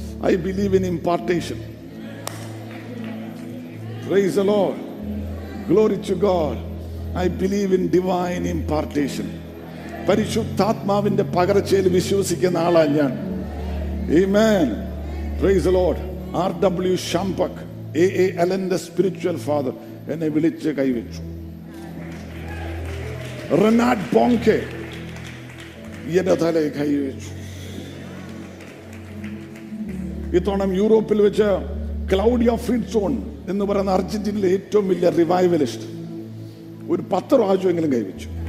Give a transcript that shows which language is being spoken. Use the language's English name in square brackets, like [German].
[English] I believe in impartation. Praise the Lord. Glory to God. I believe in divine impartation. [Malayalam] പരിശുദ്ധാത്മാവിന്റെ പകർച്ചയിൽ വിശ്വസിക്കുന്ന ആളാ ഞാൻ. [English] Amen. Praise the Lord. R.W. Shampak, A.A. [Malayalam] Allen, the spiritual father, എന്നെ വിളിച്ച് കൈവച്ചു. Renard Bonke, എന്റെ തലയെ കൈവച്ചു. ഇത്തവണം യൂറോപ്പിൽ വെച്ച് ക്ലൗഡി ഓഫ് ഫിൻസോൺ എന്ന് പറയുന്ന അർജന്റീനയിലെ ഏറ്റവും വലിയ റിവൈവലിസ്റ്റ് ഒരു 10 പ്രാവശ്യമെങ്കിലും കൈവച്ചു.